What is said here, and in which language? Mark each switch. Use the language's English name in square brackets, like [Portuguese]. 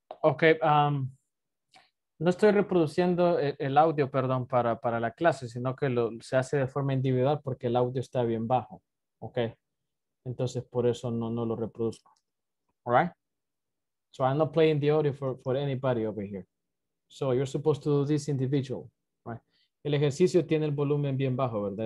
[Spanish] Ok, no estoy reproduciendo el audio, perdón, para la clase, sino que se hace de forma individual porque el audio está bien bajo, ok. Entonces, por eso no lo reproduzco, alright. [English] So, I'm not playing the audio for anybody over here. So, you're supposed to do this individual, right. [Spanish] El ejercicio tiene el volumen bien bajo, ¿verdad?